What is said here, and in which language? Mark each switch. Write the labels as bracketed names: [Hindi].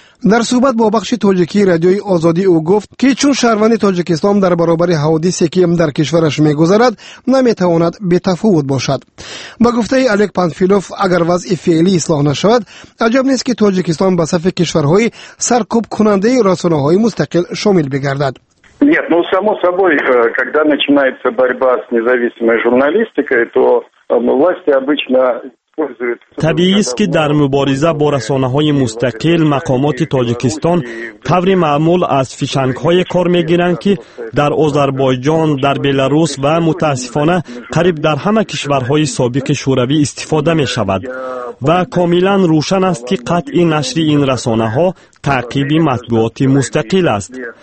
[Persian] در صحبت با بخش تاجیکی رادیوی آزادی او گفت که چون شهروند تاجیکستان در برابر حوادثی که در کشورش میگذرد نمیتواند بی‌تفاوت باشد. با گفته الیک پنفیلوف، اگر وضع فعلی اصلاح نشود، عجب نیست که تاجیکستان به صف کشورهای سرکوب کننده رسانه‌های مستقل شامل بگردد. [Russian] Нет, ну само собой, когда начинается борьба с независимой журналистикой, то власти обычно [Persian] طبیعی است که در مبارزه با رسانه‌های مستقل مقامات تاجیکستان طور معمول از فیشنگ‌های کار می‌گیرند که در آذربایجان، در بلاروس و متأسفانه قریب در همه کشورهای سابق شوروی استفاده می‌شود و کاملاً روشن است که قطع نشر این رسانه‌ها تعقیب مطبوعاتی مستقل است.